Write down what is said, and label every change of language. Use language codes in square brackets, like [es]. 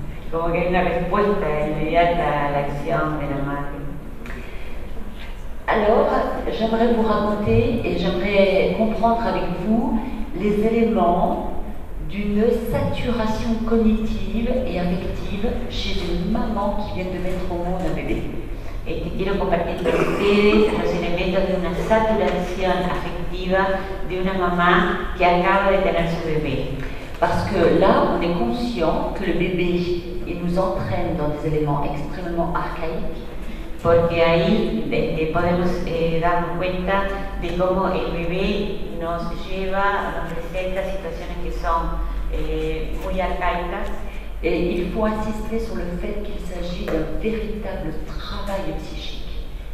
[es] Como que hay una respuesta inmediata a la acción de la madre. [fr] Alors, j'aimerais vous raconter et j'aimerais comprendre avec vous les éléments d'une saturation cognitive et affective chez une maman qui vient de mettre au monde un bébé. [es] Et je veux compartir con ustedes los elementos de una saturación afectiva de una mamá que acaba de tener su bebé. [fr] Parce que là, on est conscient que le bébé, il nous entraîne dans des éléments extrêmement archaïques. [es] Porque ahí podemos darnos cuenta de cómo el bebé nos lleva, nos presenta situaciones que son muy arcaicas. [fr] Il faut insister sur le fait qu'il s'agit d'un véritable travail psychique.